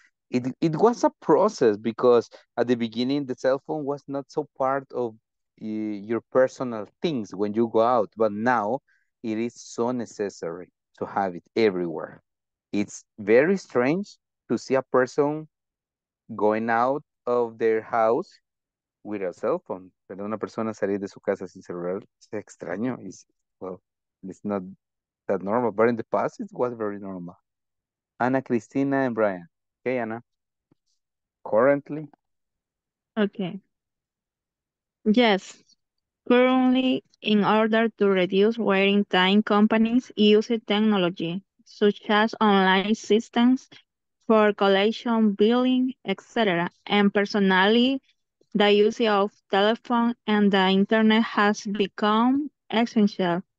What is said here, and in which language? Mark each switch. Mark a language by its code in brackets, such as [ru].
[en] It was a process because at the beginning, the cell phone was not so part of your personal things when you go out. But now it is so necessary to have it everywhere. It's very strange to see a person going out of their house with a cell phone. [es] Pero una persona salir de su casa sin celular es extraño. [en] It's not that normal. But in the past, it was very normal. Ana Cristina and Brian. Okay, Ana. Currently? Okay. Yes. Currently, in order to reduce waiting time, companies use technology such as online systems for collection, billing, etc., and personally, the use of telephone and the internet has become essential.